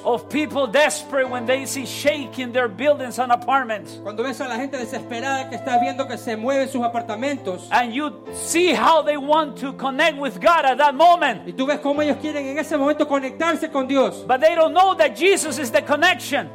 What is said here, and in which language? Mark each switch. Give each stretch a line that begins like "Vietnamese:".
English: of people desperate when they see shaking their buildings and apartments.
Spanish: Cuando ves a la gente desesperada que está viendo que se mueven sus apartamentos.
English: And you see how they want to connect with God at that moment.
Spanish: Y tú ves cómo ellos quieren en ese momento conectarse con Dios.
English: But they don't know that Jesus is the connection.